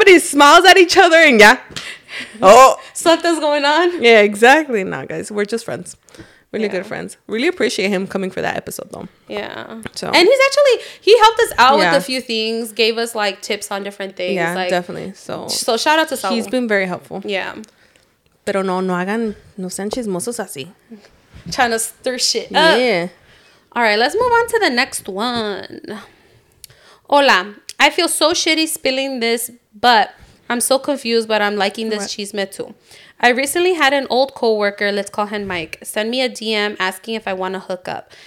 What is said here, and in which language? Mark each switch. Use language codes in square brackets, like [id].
[en] Somebody smiles at each other and yeah. Oh. Something's going on. Yeah, exactly. Nah, guys. We're just friends. Really good friends. Really appreciate him coming for that episode, though. Yeah. So. And he's actually, he helped us out with a few things. Gave us, like, tips on different things. Yeah, like, definitely. So. So, shout out to Saul. He's been very helpful. Yeah. [es] Pero no hagan, no sean chismosos así. [en] Trying to stir shit up. Yeah. All right, let's move on to the next one. Hola. I feel so shitty spilling this, but I'm so confused, but I'm liking this chisme too. I recently had an old coworker, let's call him Mike, send me a DM asking if I want to hook up.